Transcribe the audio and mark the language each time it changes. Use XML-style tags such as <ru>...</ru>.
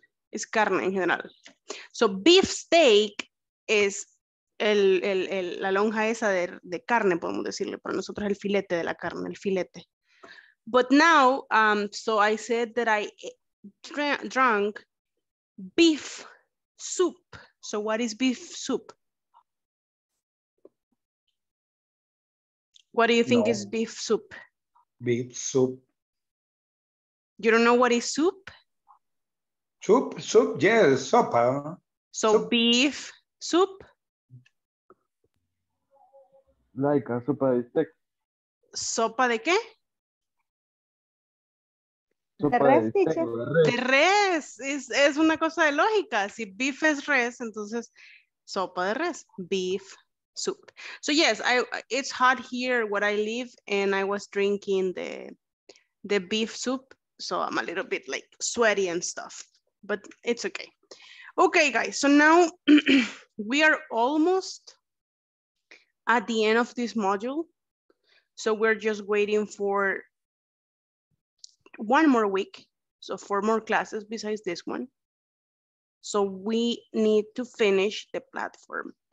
<es>Es carne en general. So beef steak es la lonja esa de carne, podemos decirle. Para nosotros el filete de la carne, el filete.</es> <en>But now, so I said that I drank beef soup. So what is beef soup? What do you think is beef soup? Beef soup. You don't know what is soup? Soup, soup, yes, sopa. So soup. Beef soup? Like a</en> <es>sopa de</es> <en>steak.</en> <es>Sopa de qué? Sopa de res. De res. Es una cosa de lógica. Si beef es res, entonces sopa de res.</es> <en>Beef soup. So yes, it's hot here where I live, and I was drinking the beef soup, so I'm a little bit like sweaty and stuff, but it's okay. Okay, guys, so now we are almost at the end of this module, so we're just waiting for one more week, so four more classes besides this one, so we need to finish the platform.</en>